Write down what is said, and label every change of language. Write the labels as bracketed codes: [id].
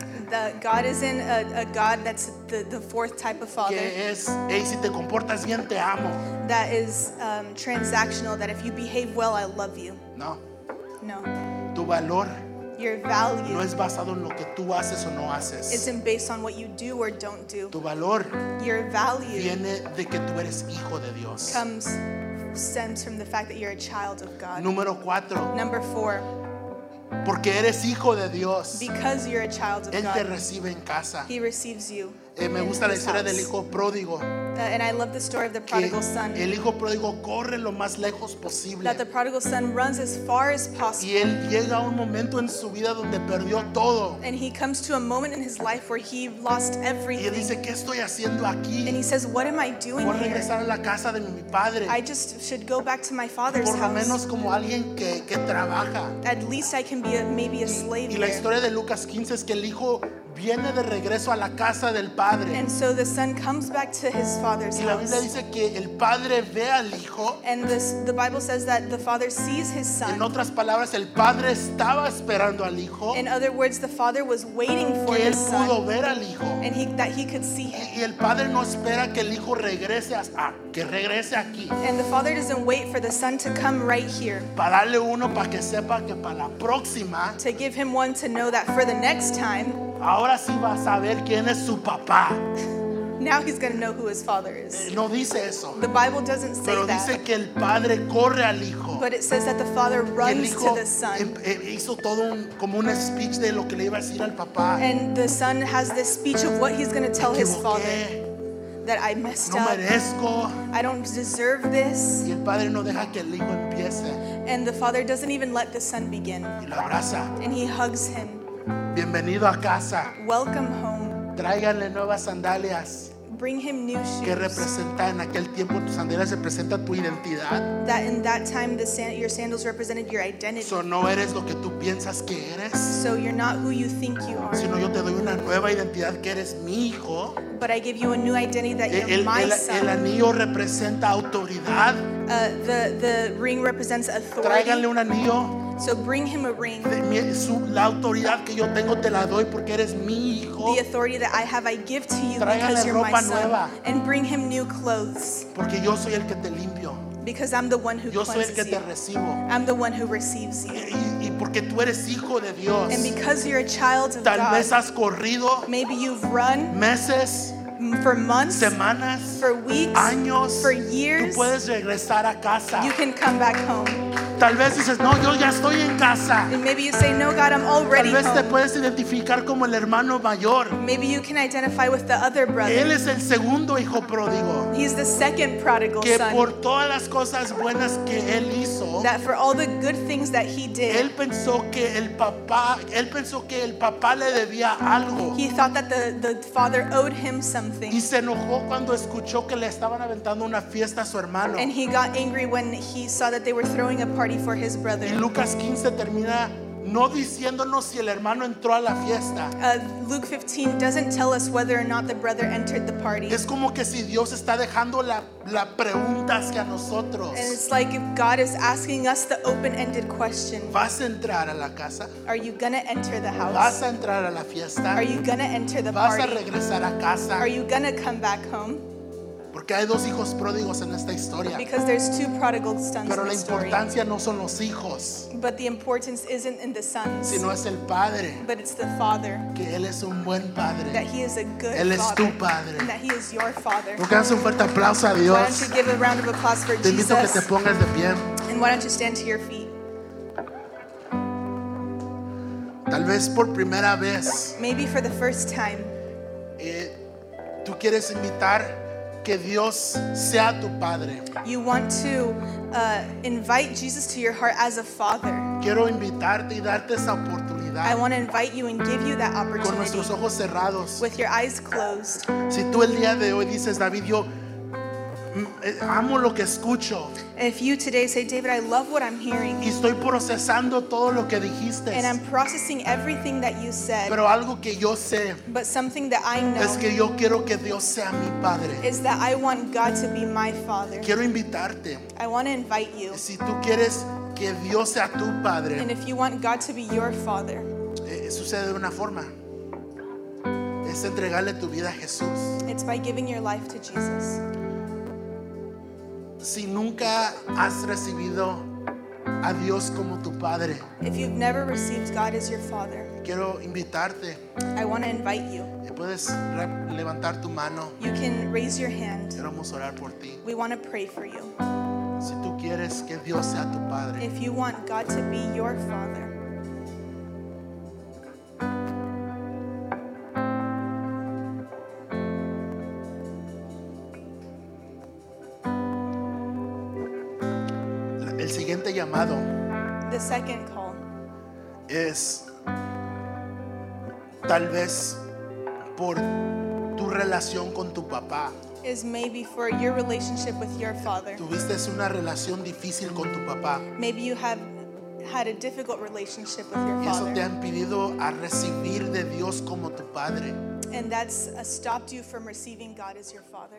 [en] That God isn't a God that's the fourth type of father. [es] Que es, hey, si te comportas bien, te amo. [en] That is transactional, that if you behave well, I love you. [es] No. [en] No. [es] Tu valor. [en] Your value. [es] No es basado en lo que tú haces o no haces. [en] Isn't based on what you do or don't do. [es] Tu valor. [en] Your value. [es] Viene de que tú eres hijo de Dios. [en] Comes. Stems from the fact that you're a child of God. [es] Número 4. [en] Number 4. [es] Porque eres hijo de Dios. [en] Because you're a child of [es] Él [en] God. [es] Te recibe en casa. [en] He receives you. [es] Me gusta la historia del hijo pródigo. [en] And I love the story of the prodigal son. [es] El hijo pródigo corre lo más lejos posible. [en] That the prodigal son runs as far as possible. [es] Y él llega a un momento en su vida donde perdió todo. [en] And he comes to a moment in his life where he lost everything. [es] Y él dice, ¿qué estoy haciendo aquí? [en] And he says, what am I doing here? [es] Voy a regresar a la casa de mi padre. [en] I just should go back to my father's house. [es] Por lo menos como alguien que trabaja. [en] At least I can be maybe a slave. [es] Y la historia de Lucas 15 es que el hijo viene de regreso a la casa del padre. [en] And so the son comes back to his father's house. [es] Y la Biblia dice que el padre ve al hijo. [en] And the Bible says that the father sees his son. [es] En otras palabras, el padre estaba esperando al hijo. [en] In other words, the father was waiting for his son. [es] Que él pudo ver al hijo. [en] And that he could see him. [es] Y el padre no espera que el hijo regrese que regrese aquí. [en] And the father doesn't wait for the son to come right here. [es] Para darle uno para que sepa que para la próxima. [en] To give him one to know that for the next time. [es] Ahora sí vas a ver quién es su papá. [en] Now he's going to know who his father is. [es] No dice eso. [en] The Bible doesn't say [es] Pero dice [en] that. [es] Que el padre corre al hijo. [en] But it says that the father runs to the son. [es] Hizo todo como un [en] speech [es] de lo que le iba a decir al papá. [en] And the son has this speech of what he's going to tell his father. That I messed [es] no [en] up. [es] Merezco. [en] I don't deserve this. [es] Y el padre no deja que el hijo empiece. [en] And the father doesn't even let the son begin. [es] Y lo abraza. [en] And he hugs him. [es] Bienvenido a casa. [en] Welcome home. [es] Tráiganle nuevas sandalias. [en] Bring him new shoes. [es] Que representa en aquel tiempo tus sandalias representa tu identidad. [en] That in that time the your sandals represented your identity. So [es] no eres lo que tú piensas que eres. [en] So you're not who you think you are. [es] Sino yo te doy una nueva identidad que eres mi hijo. [en] But I give you a new identity that you're my son. [es] El anillo representa autoridad. [en] The ring represents authority. [es] Tráiganle un anillo. [en] So bring him a ring. [es] La autoridad que yo tengo te la doy porque eres mi hijo. [en] The authority that I have I give to you because you're [es] ropa [en] my [es] nueva. [en] Son. And bring him new clothes. [es] Porque yo soy el que te limpio. [en] Because I'm the one who [es] yo [en] cleanses [es] soy el que [en] you. [es] Te recibo. [en] I'm the one who receives you. [es] Y porque tú eres hijo de Dios. [en] And because you're a child of [es] tal Tal vez has corrido. [en] Maybe you've run. [es] Meses. [en] For months. [es] Semanas. [en] For weeks. [es] Años. [en] For years. [es] Tú puedes regresar a casa. [en] You can come back home. [es] Tal vez dices, no, yo ya estoy en casa. [en] And maybe you say, no, God, I'm already home. [es] Tal vez te puedes identificar como el hermano mayor. [en] Maybe you can identify with the other brother. [es] Él es el segundo hijo pródigo. [en] He's the second prodigal [es] que [en] son. [es] Que por todas las cosas buenas que él hizo. [en] That for all the good things that he did. [es] Él pensó que el papá le debía algo. [en] He thought that the father owed him something. [es] Y se enojó cuando escuchó que le estaban aventando una fiesta a su hermano. [en] And he got angry when he saw that they were throwing a party for his brother. [es] Lucas 15 termina no diciéndonos si el hermano entró a la fiesta. [en] Luke 15 doesn't tell us whether or not the brother entered the party. [es] Es como que si Dios está dejando la pregunta hacia nosotros. [en] And it's like if God is asking us the open-ended question. [es] ¿Vas a entrar a la casa? [en] Are you going to enter the house? [es] ¿Vas a entrar a la fiesta? [en] Are you going to enter the [es] ¿Vas [en] party? [es] ¿Vas a regresar a casa? [en] Are you going to come back home? [es] Porque hay dos hijos pródigos en esta historia. [en] Because there's two prodigal sons in the story. [es] Pero la importancia no son los hijos. [en] But the importance isn't in the sons. [es] Sino es el padre. [en] But it's the father. [es] Que él es un buen padre. [en] That he is a good father. [es] Él es tu padre. [en] And that he is your father. [es] ¿Por qué das un fuerte aplauso a Dios? [en] Why don't you give a round of applause for Jesus? [es] Te invito a que te pongas de pie. [en] And why don't you stand to your feet? [es] Tal vez por primera vez. [en] Maybe for the first time. [es] Tú quieres invitar que Dios sea tu padre. [en] You want to invite Jesus to your heart as a father. [es] Quiero invitarte y darte esa oportunidad. [en] I want to invite you and give you that opportunity. [es] Con nuestros ojos cerrados. [en] With your eyes closed. [es] Si tú el día de hoy dices, David, yo amo lo que escucho. [en] If you today say, David, I love what I'm hearing. [es] Y estoy procesando todo lo que dijiste. [en] And I'm processing everything that you said. [es] Pero algo que yo sé. [en] But something that I know. [es] Es que yo quiero que Dios sea mi padre. [en] Is that I want God to be my father. [es] Quiero invitarte. [en] I want to invite you. [es] Si tú quieres que Dios sea tu padre. [en] And if you want God to be your father. [es] Sucede de una forma. Es entregarle tu vida a Jesús. [en] It's by giving your life to Jesus. [es] Si nunca has recibido a Dios como tu padre, [en] if you've never received God as your father, [es] quiero invitarte. [en] I want to invite you. [es] Puedes levantar tu mano. [en] You can raise your hand. [es] Queremos orar por ti. [en] We want to pray for you. [es] Si tú quieres que Dios sea tu padre, [en] if you want God to be your father. [es] Llamado. [en] The second call [es] es tal vez por tu relación con tu papá. [en] Is maybe for your relationship with your father. [es] Tuviste una relación difícil con tu papá. [en] Maybe you have had a difficult relationship with your father. [es] Eso te ha impedido a recibir de Dios como tu padre. [en] And that's stopped you from receiving God as your father.